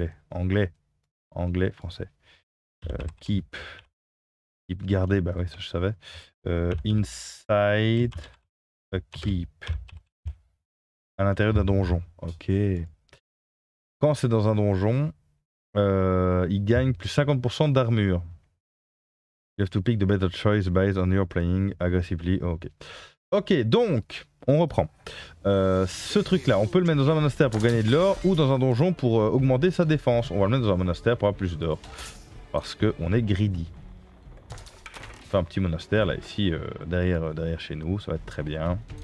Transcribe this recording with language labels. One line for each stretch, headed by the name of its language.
French: Anglais, français. Keep garder, bah oui, ça je savais.
English: Inside a keep.
French: À l'intérieur d'un donjon, ok. Quand c'est dans un donjon, il gagne plus 50% d'armure.
English: You have to pick the better choice based on your playing aggressively.
French: Ok, donc, on reprend. Ce truc-là, on peut le mettre dans un monastère pour gagner de l'or ou dans un donjon pour augmenter sa défense. On va le mettre dans un monastère pour avoir plus d'or. Parce qu'on est greedy. On fait un petit monastère, là, ici, derrière chez nous. Ça va être très bien.